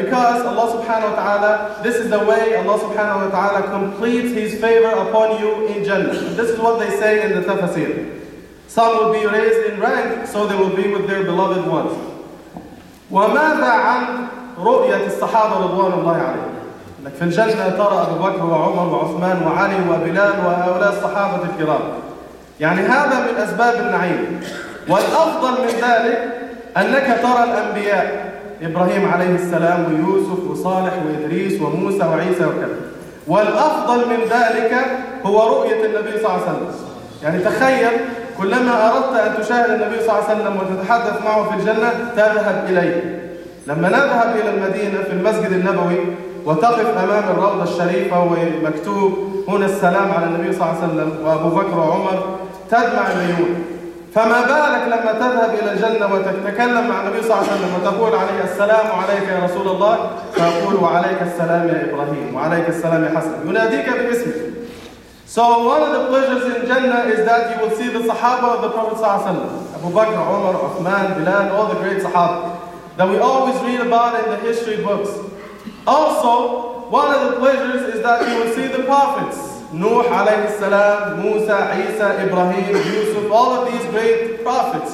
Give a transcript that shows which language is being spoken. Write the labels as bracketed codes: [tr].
[en] Because Allah subhanahu wa ta'ala, this is the way Allah subhanahu wa ta'ala completes His favor upon you in Jannah. This is what they say in the tafsir. Some will be raised in rank, so they will be with their beloved ones. [ar] وَمَاذَا عَنْ رُؤْيَةِ الصَّحَابَ رَضُوَانُ اللَّهِ عَلَيْهِ أنك في الجنة ترى أبو بكر وعمر وعثمان وعلي وبلال وهؤلاء الصحابة الكرام. يعني هذا من أسباب النعيم. والأفضل من ذلك أنك ترى الأنبياء إبراهيم عليه السلام ويوسف وصالح وإدريس وموسى وعيسى وكذا. والأفضل من ذلك هو رؤية النبي صلى الله عليه وسلم. يعني تخيل كلما أردت أن تشاهد النبي صلى الله عليه وسلم وتتحدث معه في الجنة تذهب إليه. لما نذهب إلى المدينة في المسجد النبوي وتقف أمام الروضة الشريفة ومكتوب هنا السلام على النبي صلى الله عليه وسلم وأبو بكر وعمر تدمع العيون. فما بالك لما تذهب إلى الجنة وتتكلم مع النبي صلى الله عليه وسلم وتقول عليه السلام عليك يا رسول الله، فأقول وعليك السلام يا إبراهيم وعليك السلام يا حسن، يناديك باسمك. [en] So one of the pleasures in Jannah is that you will see the Sahaba of the Prophet [ar] صلى الله عليه وسلم. [en] Abu Bakr, Umar, Uthman, Bilal, all the great Sahaba that we always read about in the history books. Also, one of the pleasures is that you will see the Prophets. Nuh [ar] عليه السلام, [en] Musa, Isa, Ibrahim, Yusuf, all of these great Prophets.